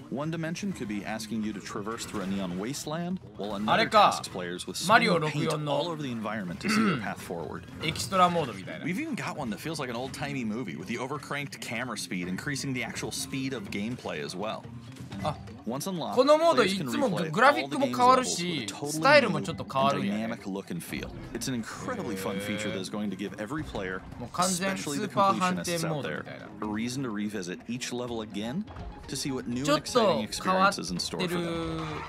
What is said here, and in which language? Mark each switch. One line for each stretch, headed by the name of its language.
English: One dimension could be asking you to traverse through a neon wasteland, while another tasks players with smoke paint all over the environment to see your path forward. Extra mode
Japanese: みたいな。
English: We've even got one that feels like an old timey movie with the overcranked camera speed increasing the actual speed of gameplay as well.
Japanese: このモードいつもグラフィックも変わるし、スタイルもちょっと変わるよね。
English: Dynamic look and feel. It's an incredibly fun feature that is going to give every player, especially the completionists out there, a reason to revisit each level again to see what new and exciting experiences in store for them.